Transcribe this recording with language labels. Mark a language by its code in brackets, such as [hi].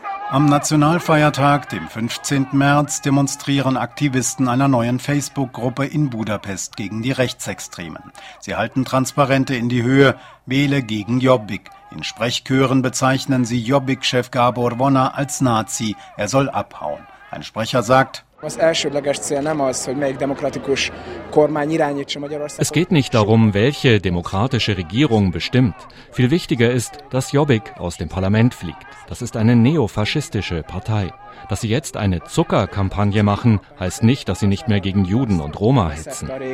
[de] Am Nationalfeiertag, dem 15. März, demonstrieren Aktivisten einer neuen Facebook-Gruppe in Budapest gegen die Rechtsextremen. Sie halten Transparente in die Höhe, wähle gegen Jobbik. In Sprechchören bezeichnen sie Jobbik-Chef Gábor Vona als Nazi, er soll abhauen. Ein Sprecher sagt, [hu] Az elsődleges cél nem az, hogy melyik demokratikus kormány irányítsa Magyarországot. [de] Es geht nicht darum, welche demokratische Regierung bestimmt. Viel wichtiger ist, dass Jobbik aus dem Parlament fliegt. Das ist eine neofaschistische Partei. Dass sie jetzt eine Zuckerkampagne machen, heißt nicht, dass sie nicht mehr gegen Juden und Roma hetzen.